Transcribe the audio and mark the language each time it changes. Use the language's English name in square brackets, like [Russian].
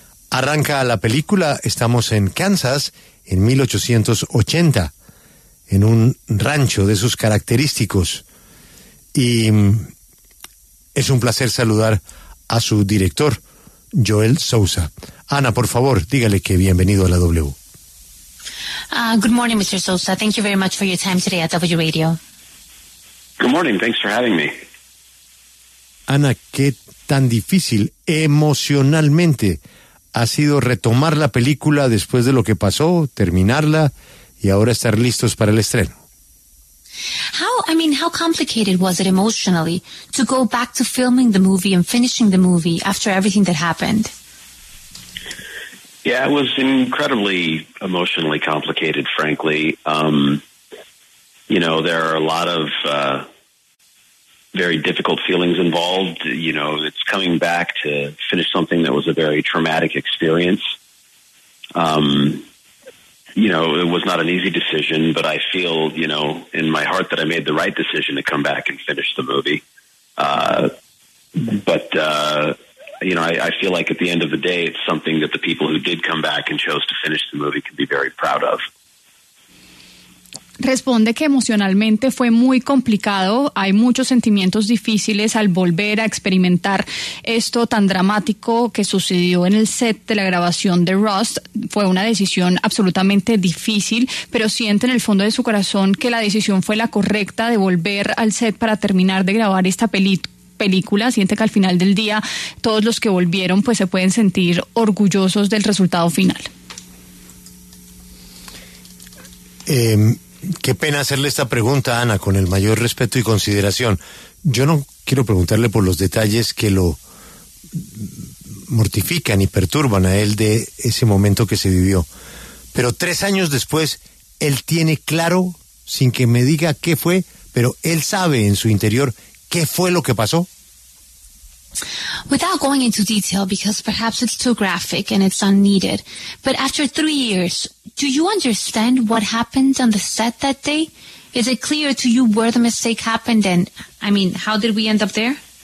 [Spanish] Arranca la película, estamos en Kansas en 1880, en un rancho de sus característicos. Y es un placer saludar a su director, Joel Souza. Ana, por favor, dígale que bienvenido a la W. [English] Good morning, Mr. Souza. Thank you very much for your time today at W Radio. Good morning. Thanks for having me. [Spanish] Ana, ¿qué tan difícil emocionalmente ha sido retomar la película después de lo que pasó, terminarla y ahora estar listos para el estreno? [English] How complicated was it emotionally to go back to filming the movie and finishing the movie after everything that happened? Yeah, it was incredibly emotionally complicated, frankly. There are a lot of very difficult feelings involved. You know, it's coming back to finish something that was a very traumatic experience. It was not an easy decision, but I feel, you know, in my heart that I made the right decision to come back and finish the movie. I feel like at the end of the day, it's something that the people who did come back and chose to finish the movie can be very proud of. [Spanish] Responde que emocionalmente fue muy complicado. Hay muchos sentimientos difíciles al volver a experimentar esto tan dramático que sucedió en el set de la grabación de Rust. Fue una decisión absolutamente difícil, pero siente en el fondo de su corazón que la decisión fue la correcta de volver al set para terminar de grabar esta película. Siente que al final del día todos los que volvieron pues se pueden sentir orgullosos del resultado final. Qué pena hacerle esta pregunta, Ana, con el mayor respeto y consideración. Yo no quiero preguntarle por los detalles que lo mortifican y perturban a él de ese momento que se vivió. Pero 3 años después, él tiene claro, sin que me diga qué fue, pero él sabe en su interior qué fue lo que pasó. [English] Without going into detail, because perhaps it's too graphic and it's unneeded, but after 3 years, do you understand what happened on the set that day? Is it clear to you where the mistake happened and, how did we end up there?